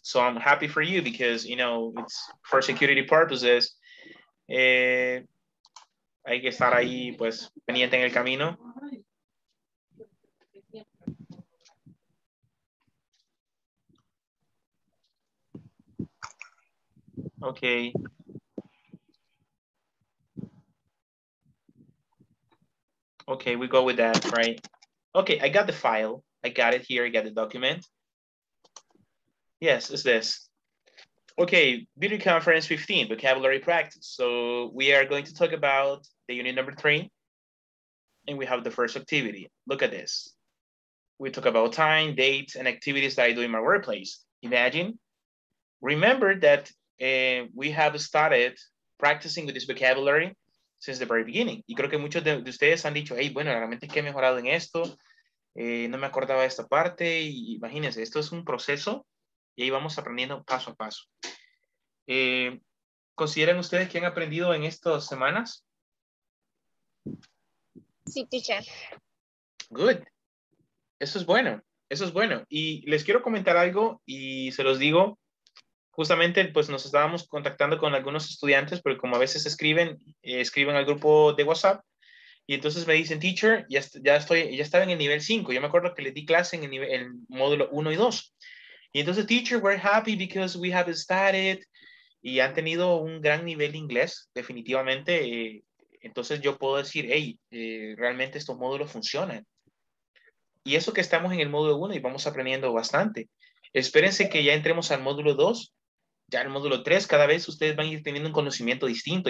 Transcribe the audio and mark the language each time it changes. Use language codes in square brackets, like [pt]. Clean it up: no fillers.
[en] So I'm happy for you because, you know, it's for security purposes. [es] Hay que estar ahí, pues, pendiente en el camino. [en] Okay. Okay, we go with that, right? Okay, I got the file. I got it here. I got the document. Yes, it's this. Okay, video conference 15, vocabulary practice. So we are going to talk about the unit number 3. And we have the first activity. Look at this. We talk about time, dates, and activities that I do in my workplace. Imagine. Remember that we have started practicing with this vocabulary since the very beginning. [es] Y creo que muchos de ustedes han dicho, hey, bueno, realmente es que he mejorado en esto. No me acordaba de esta parte. Y imagínense, esto es un proceso y ahí vamos aprendiendo paso a paso. ¿Consideran ustedes que han aprendido en estas semanas? Sí, teacher. Good. Eso es bueno. Eso es bueno. Y les quiero comentar algo y se los digo. Justamente, pues, nos estábamos contactando con algunos estudiantes, porque como a veces escriben al grupo de WhatsApp, y entonces me dicen, teacher, ya estaba en el nivel 5. Yo me acuerdo que le di clase en el módulo 1 y 2. Y entonces, [en] teacher, we're happy because we have started. [es] Y han tenido un gran nivel de inglés, definitivamente. Entonces yo puedo decir, hey, realmente estos módulos funcionan. Y eso que estamos en el módulo 1 y vamos aprendiendo bastante. Espérense que ya entremos al módulo 2, ya al módulo 3, cada vez ustedes van a ir teniendo un conocimiento distinto.